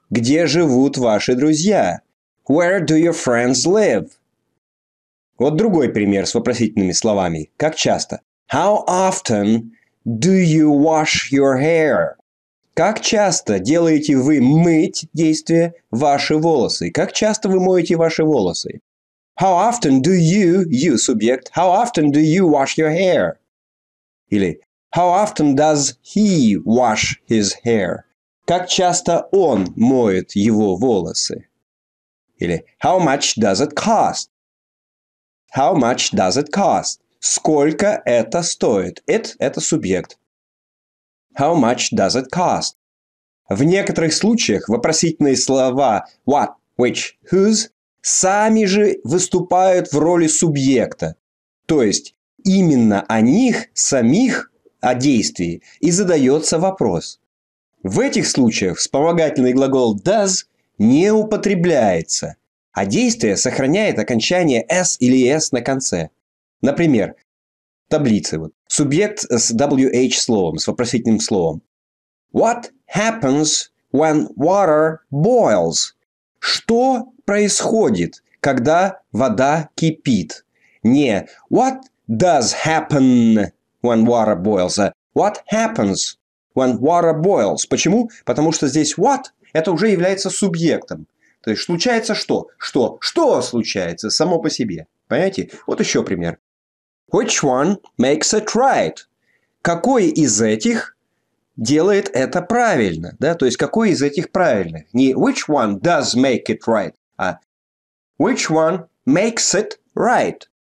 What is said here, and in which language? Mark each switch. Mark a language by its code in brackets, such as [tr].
[ru] Где живут ваши друзья? [en] Where do your friends live? [ru] Вот другой пример с вопросительными словами. Как часто? [en] How often do you wash your hair? [ru] Как часто делаете вы мыть действие ваши волосы? Как часто вы моете ваши волосы? [en] How often do you, you subject, how often do you wash your hair? [ru] Или [en] how often does he wash his hair? [ru] Как часто он моет его волосы? Или [en] how much does it cost? How much does it cost? [ru] Сколько это стоит? [en] It – [ru] это субъект. [en] How much does it cost? [ru] В некоторых случаях вопросительные слова what, which, whose сами же выступают в роли субъекта. То есть именно о них, самих, о действии, и задается вопрос. В этих случаях вспомогательный глагол does не употребляется, а действие сохраняет окончание s или s на конце. Например, таблицы. Вот. Субъект с wh-словом, с вопросительным словом. [en] What happens when water boils? [ru] Что происходит, когда вода кипит? Не [en] what does happen when water boils, [ru] а [en] what happens when water boils. [ru] Почему? Потому что здесь what – это уже является субъектом. То есть случается что? Что? Что случается само по себе? Понимаете? Вот еще пример. [en] Which one makes it right? [ru] Какой из этих делает это правильно? Да? То есть какой из этих правильных? Не [en] which one does make it right, [ru] а [en] which one makes it right?